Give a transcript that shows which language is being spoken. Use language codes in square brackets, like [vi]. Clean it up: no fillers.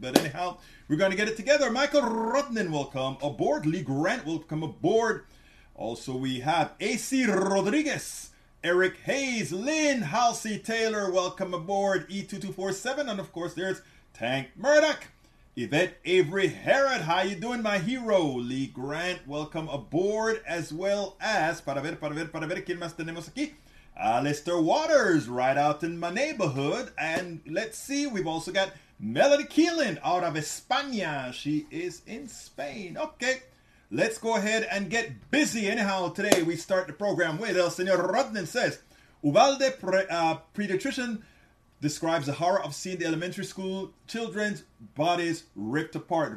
[en] But anyhow, we're going to get it together. Michael Rutnan will come aboard. Lee Grant will come aboard. Also, we have AC Rodriguez, Eric Hayes, Lynn Halsey Taylor. Welcome aboard. E2247. And of course, there's Tank Murdoch, Yvette Avery Herod. How you doing, my hero? Lee Grant, welcome aboard, as well as, [es] para ver, ¿quién más tenemos aquí? [en] Alistair Waters, right out in my neighborhood. And let's see, we've also got Melody Keelan out of España. She is in Spain. Okay, let's go ahead and get busy. Anyhow, today we start the program with El Señor Rodman says, Uvalde pediatrician describes the horror of seeing the elementary school children's bodies ripped apart.